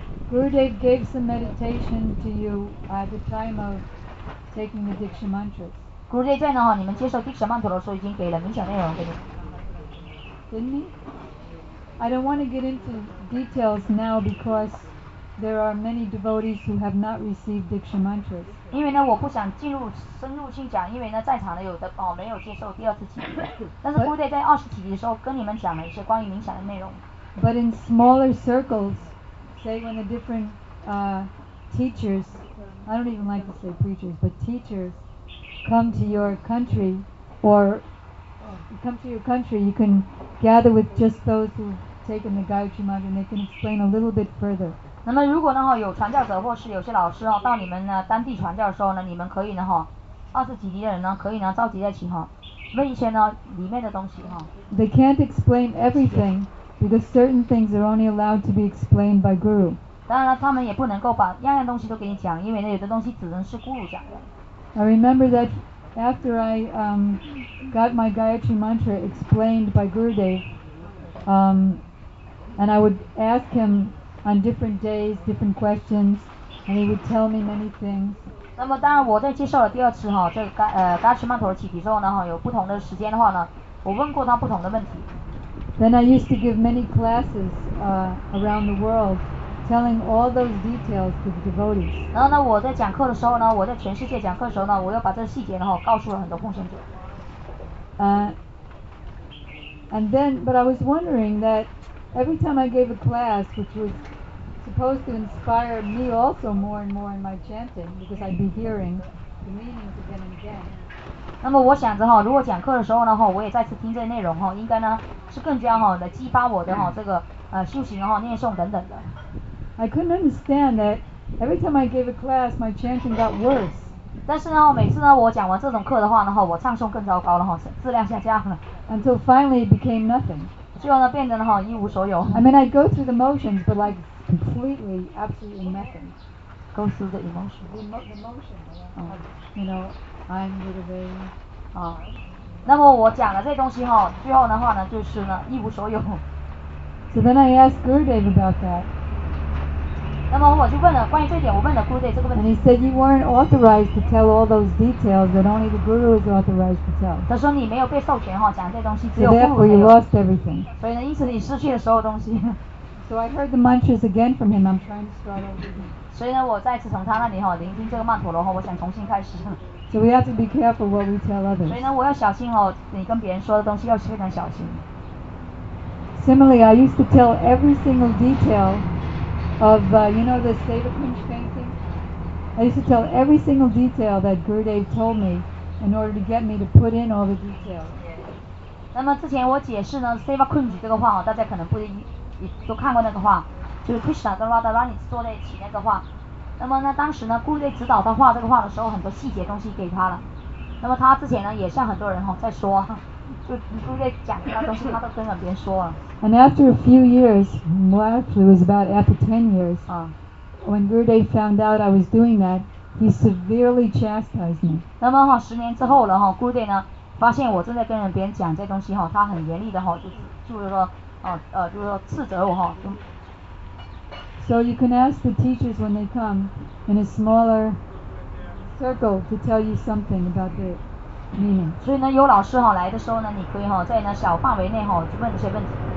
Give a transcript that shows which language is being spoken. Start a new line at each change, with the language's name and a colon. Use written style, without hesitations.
English: Gurudev gave some meditation to you at the time of taking the Diksha mantras.
Chinese: Gurudev 在呢，你们接受 Diksha mantra 的时候已经给了冥想内容给你。
English: Didn't he? I don't want to get into details now because there are many devotees who have not received Diksha mantras.
Chinese: 因为呢，我不想进入深入去讲，因为呢，在场的有的哦没有接受第二次启迪。但是Buddha在二十几集的时候跟你们讲了一些关于冥想的内容。
English: But in smaller circles, say when the different teachers, I don't even like to say preachers, but teachers come to your country or come to your country, you can gather with just those who have taken the Gayatri Mantra and they can explain a little bit further.
Chinese: 那么如果呢有传教者或是有些老师到你们呢当地传教的时候呢你们可以呢二十几级的人呢可以呢召集在一起问一些呢里面的东西。
English: They can't explain everything because certain things are only allowed to be explained by Guru.
Chinese: 当然了他们也不能够把样样东西都给你讲因为呢有的东西只能是 Guru 讲的。
English: I remember that after I got my Gayatri Mantra explained by Gurudev, and I would ask him on different days, different questions, and he would tell me many things.
Chinese: 那么当然我在接受了第二次这个Gayatri Mantra 的启迪之后呢有不同的时间的话呢我问过他不同的问题。
English: Then I used to give many classes around the world. Telling all those details to the devotees.
Chinese: 然后呢，我在讲课的时候呢，我在全世界讲课的时候呢，我又把这个细节呢，告诉了很多奉献者。
English: And then, but I was wondering that every time I gave a class, which was supposed to inspire me also more and more in my chanting, because I'd be hearing the meanings again and again.
Chinese: 那么我想着如果讲课的时候呢，我也再次听这内容应该呢是更加来激发我的这个修行念诵等等的。
English: I couldn't understand that every time I gave a class, my chanting got worse.
Chinese: 但是呢，每次呢，我讲完这种课的话呢，我唱诵更糟糕了质量下降了。
English: Until finally it became nothing.
Chinese: 最后呢，变得呢一无所有。
English: I mean, I go through the motions, but like completely, absolutely nothing. Go through the emotions. You know, I'm a little bit.
Chinese: 那么我讲了这东西最后的话呢，就是呢一无所有。
English: So then I asked Gurudev about that.
Chinese: 那么我就问了关于这点，我问了 Gurudev 这个问题。
English: And he said you weren't authorized to tell all those details that only the Guru is authorized to tell.
Chinese: 他说你没有被授权讲这东西，只有 Guru 才有。
English: So therefore you lost everything.
Chinese: 所以呢，因此你失去了所有东西。
English: So I heard the mantras again from him. I'm trying to start over.
Chinese: 所以呢，我再次从他那里聆听这个曼陀罗我想重新开始。
English: So we have to be careful what we tell others.
Chinese: 所以呢，我要小心你跟别人说的东西要非常小心。
English: Similarly, I used to tell every single detail. Of you know the Seva Kunj painting? I used to tell every single detail that Gurudev told me in order to get me to put in all the details.
Chinese: 那么之前我解释呢 Seva Kunj 这个画大家可能不一都看过那个画就是 Krishna 跟 Radha Rani 坐在一起那个画那么呢当时呢 Gurudev 指导他画这个画的时候很多细节东西给他了那么他之前呢也像很多人在说
English: And after a few years, well actually it was about after 10 years, when Gurudev found out I was doing that, he severely chastised me.
Chinese: 那么十年之后了 Gurudev 呢发现我正在跟别人讲这东西他很严厉的就是说斥责我。
English: So you can ask the teachers when they come in a smaller circle to tell you something about the Mm-hmm.
Chinese: 所以呢，有老师来的时候呢，你可以在那小范围内去问一些问题。